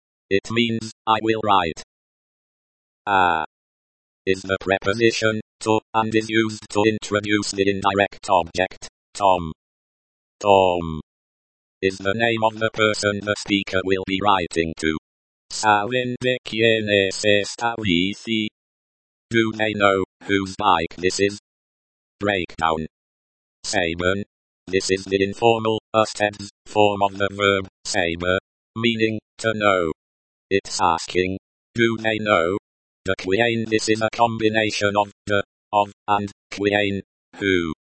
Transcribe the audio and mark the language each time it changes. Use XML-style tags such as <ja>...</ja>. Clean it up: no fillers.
<en>It means, I will write. A is the preposition to, and is used to introduce the indirect object, Tom. Tom is the name of the person the speaker will be writing to.</en> <es>¿Saben de quién es esta bici?</es> <en>Do they know whose bike this is? Breakdown. Saber. This is the informal, usted's, form of the verb, saber, meaning, to know. It's asking, do they know?</en> <es>De quién,</es> <en>this is a combination of, de, of, and, quién, who.</en>